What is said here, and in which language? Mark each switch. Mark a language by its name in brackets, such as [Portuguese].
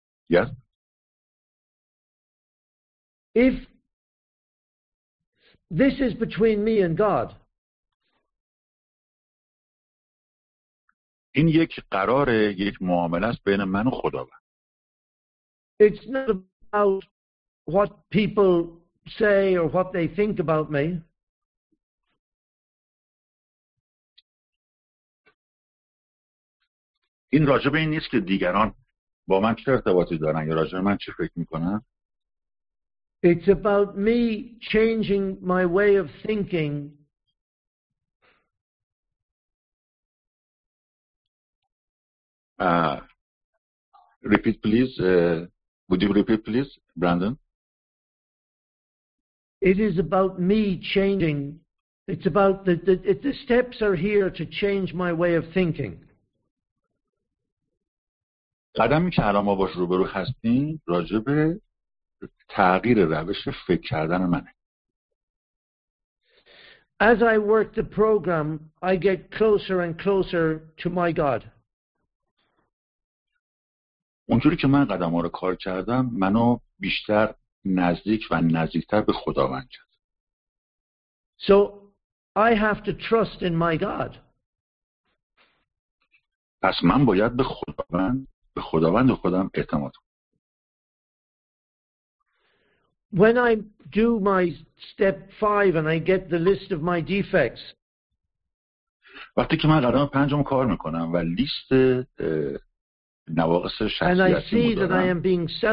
[English] Yes. If this is between me and God. [Persian] این یک قراره، یک معامله است بین من و خدا. [English] It's not about what people say or what they think about me. [Persian] این راجع به این نیست که دیگران با من چه ارتباطی دارن یا راجع به من چه فکر میکنن. [English] It's about me changing my way of thinking. Repeat, please. Would you repeat, please, Brandon? It is about me changing. It's about the steps are here to change my way of thinking. [Persian] قدمی که الان ما باش روبرو هستیم راجع به تغییر روش فکر کردن منه. [English] As I work the program, I get closer and closer to my God. [Persian] اونجوری که من قدم ها رو کار کردم منو بیشتر نزدیک و نزدیکتر به خداوند کرد. [English] So I have to trust in my God. [Persian] پس من باید به خداوند خداوند و خودم اعتماد کنم. [English] When I do my step 5 and I get the list of my defects. [Persian] وقتی که من قدم پنجم کار میکنم و لیست نواقص شخصیتیم